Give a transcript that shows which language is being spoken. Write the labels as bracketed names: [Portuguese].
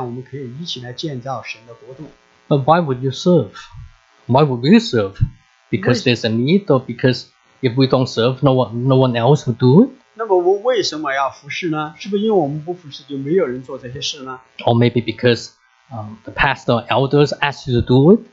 [Chinese] 事项肯定可以有很长很长的一些单子，有很多，而且我们要知道，我们不仅仅是服侍我们自己的教会，也会要服侍在我们教会以外的教会，因为这样我们可以一起来建造神的国度。 [English] But why would you serve? Why would we serve? Because there's a need, or because if we don't serve, no one else will do it? [Chinese] 那么我为什么要服侍呢？是不是因为我们不服侍就没有人做这些事呢？ [English] Or maybe because the pastor or elders ask you to do it?